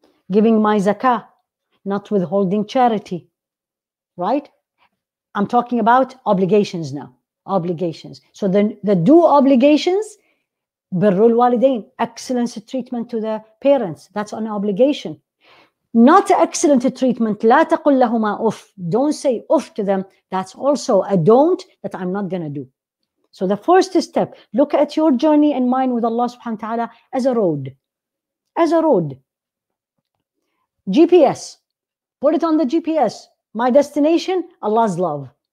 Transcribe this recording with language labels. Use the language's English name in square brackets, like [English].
[English] Giving my zakah, not withholding charity, right? I'm talking about obligations now, obligations. So then the do obligations, birrul walidain, excellence treatment to the parents, that's an obligation. Not excellent treatment, [Arabic] لا تقل لهما أف. [English] Don't say أف to them. That's also a don't that I'm not going to do. So the first step, look at your journey and mine with Allah subhanahu wa ta'ala as a road. As a road. GPS. Put it on the GPS. My destination, Allah's love.